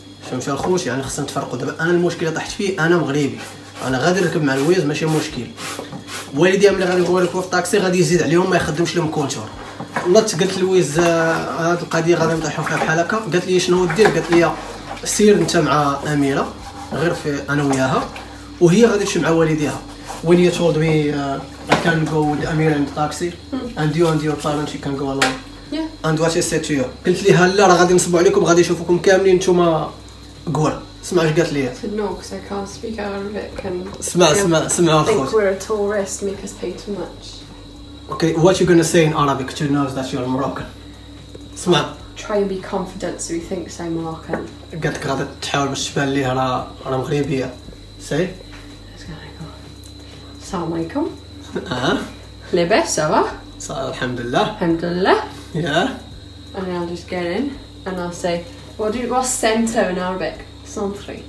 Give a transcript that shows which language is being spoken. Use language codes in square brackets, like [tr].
[ar] فهمتي الخوت يعني خاصنا نتفرقوا دابا انا المشكله طحت فيه انا مغربي انا غادي نركب مع لويز ماشي مشكل والديا ملي غادي نقول لك في الطاكسي غادي يزيد عليهم ما يخدمش لهم كونتور نط قلت لويز هاد القضيه غادي نطيحوا فيها بحال هكا قالت لي شنو دير قالت لي سير انت مع اميره غير في انا وياها وهي غادي تمشي مع والديها [en] when you told me I can go with Amira in the taxi and you and your parents you can go alone yeah. and what she said to you [ar] قلت لها لا راه غادي نصبوا عليكم غادي نشوفوكم كاملين نتوما قول اسمع اش قالت لي [en] said no because I can't speak Arabic and [ar] اسمع اسمع اسمع اخوت [en] think we're a tourist make us pay too much okay what you gonna say in Arabic to knows that you're Moroccan [ar] اسمع [en] try and be confident so he thinks I'm Moroccan [ar] قالت لك غادي تحاول باش تبان لي راه مغربية [en] say [ar] السلام عليكم لاباس صافا صافا الحمد لله الحمد لله [en] yeah and I'll just get in and I'll say what's center in Arabic Centre.